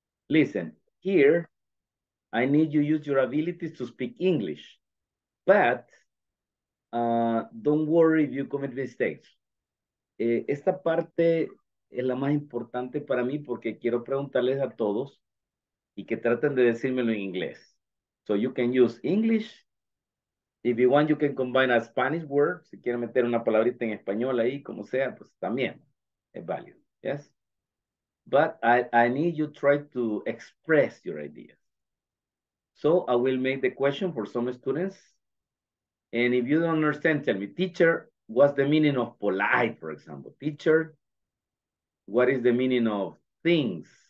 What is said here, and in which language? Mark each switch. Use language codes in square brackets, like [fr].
[en] Listen, here, I need you to use your abilities to speak English, but don't worry if you commit mistakes. [es] Esta parte es la más importante para mí porque quiero preguntarles a todos y que traten de decírmelo en inglés. [en] So you can use English. If you want, you can combine a Spanish word. [es] Si quieren meter una palabrita en español ahí, como sea, pues también es válido. [en] Yes? But I need you try to express your ideas. So I will make the question for some students. And if you don't understand, tell me, teacher, what's the meaning of polite, for example? Teacher, what is the meaning of things?